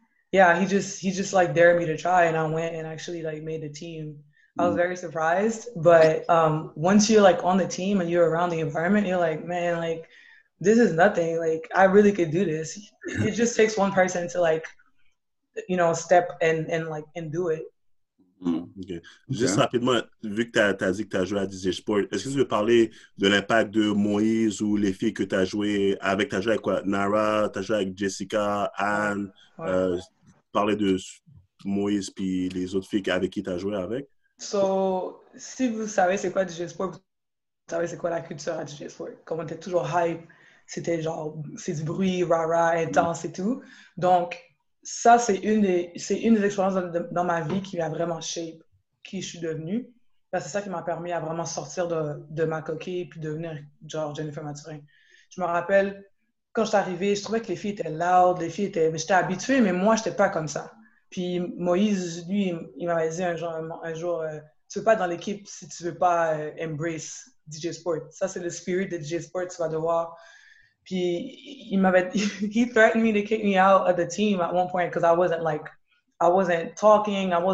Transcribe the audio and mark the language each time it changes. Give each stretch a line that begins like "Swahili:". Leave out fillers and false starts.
English: He just like dared me to try, and I went and actually like made the team. Mm-hmm. I was very surprised, but once you're like on the team and you're around the environment, you're like, man, like this is nothing. Like, I really could do this. It just takes one person to like, you know, step and do it. Okay.
French: Juste rapidement, vu que tu as dit que tu as joué à DJ Sport, est-ce que tu veux parler de l'impact de Moïse ou les filles que tu as joué avec? Tu as joué avec quoi? Nara, tu as joué avec Jessica, Anne, ouais. Parler de Moïse puis les autres filles avec qui tu as joué avec? So, si vous savez c'est quoi DJ Sport, vous savez c'est quoi la culture à DJ Sport. Comme on était toujours hype, c'était genre, c'est du bruit, rah-rah, intense et tout. Donc, ça, c'est une des expériences dans ma vie qui m'a vraiment shape qui je suis devenue. Ben, c'est ça qui m'a permis à vraiment sortir de ma coquille puis devenir genre Jennifer Mathurin. Je me rappelle, quand je suis arrivée, je trouvais que les filles étaient loud, les filles étaient... J'étais habituée, mais moi, je n'étais pas comme ça. Puis Moïse, lui, il m'avait dit un jour, tu peux pas être dans l'équipe si tu veux pas embrace DJ Sport. Ça, c'est le spirit de DJ Sport, tu vas devoir. Puis, il m'avait,
English: he threatened me to kick me out of the team at one point because I wasn't talking.